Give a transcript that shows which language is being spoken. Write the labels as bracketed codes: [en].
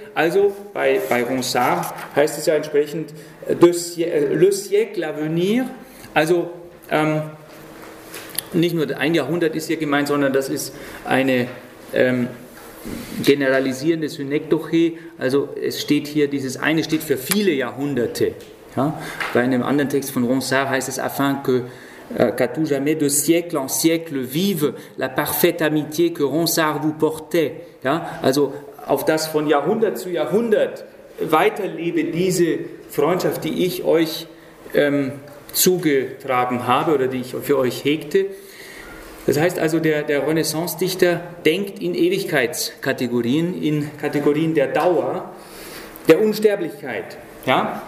[de] Also bei Ronsard heißt es ja entsprechend [fr] Le siècle à venir. [de] Also nicht nur ein Jahrhundert ist hier gemeint, sondern das ist eine generalisierende Synekdoche. Also es steht hier, dieses eine steht für viele Jahrhunderte. Ja? Bei einem anderen Text von Ronsard heißt es [fr] afin que qu'à tout jamais de siècle en siècle vive la parfaite amitié que Ronsard vous portait. [de] Ja? Also auf das von Jahrhundert zu Jahrhundert weiterlebe diese Freundschaft, die ich euch zugetragen habe oder die ich für euch hegte. Das heißt also, der Renaissance-Dichter denkt in Ewigkeitskategorien, in Kategorien der Dauer, der Unsterblichkeit. Ja?